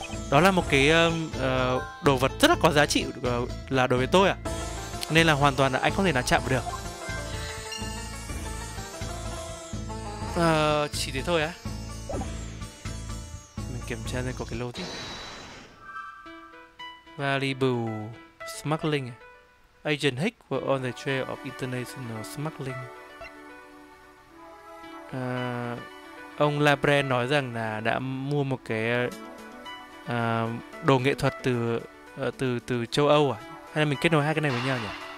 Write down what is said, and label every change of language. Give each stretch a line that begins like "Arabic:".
Vietnamese: Đó là một cái đồ vật rất là có giá trị là đối với tôi ạ. Nên là hoàn toàn là anh không thể nào chạm được. Chỉ thế thôi á. Mình kiểm tra xem có cái lô tiếp.
English: Valuable smuggling. Agent Hick was on the trail of international smuggling.
Vietnamese: Ông LeBlanc nói rằng là đã mua một cái đồ nghệ thuật từ châu Âu à? Hay là mình kết nối hai cái này với nhau nhỉ?